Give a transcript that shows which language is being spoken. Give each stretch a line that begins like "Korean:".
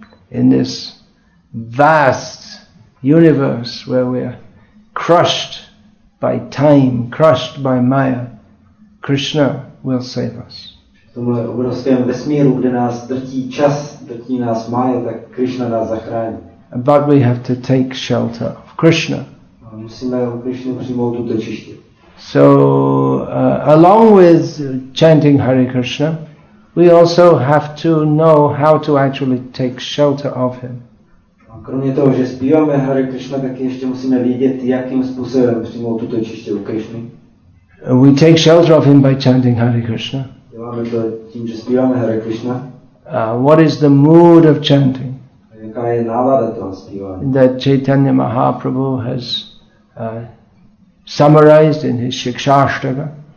English: In this vast universe where we are crushed by time, crushed by Maya, Krishna will save us.
Czech: V tomhle obrovském vesmíru, kde nás drtí čas, drtí nás Maya, tak Krishna nás zachrání.
English: But we have to take shelter of Krishna.
Czech: Musíme u Krishny přijmout útočiště.
English: So, along with chanting Hare Krishna, we also have to know how to actually take shelter of Him.
Czech: A kromě toho, že zpíváme Hare Krishna, tak ještě musíme vědět, jakým způsobem přijmout tuto čistě u Krishny.
English: We take shelter of Him by chanting Hare Krishna.
Czech: Děláme to tím, že zpíváme Hare Krishna.
English: What is the mood of chanting?
Czech: A jaká je nálada toho zpívání?
English: That Chaitanya Mahaprabhu has summarized in his Shikshashtaka.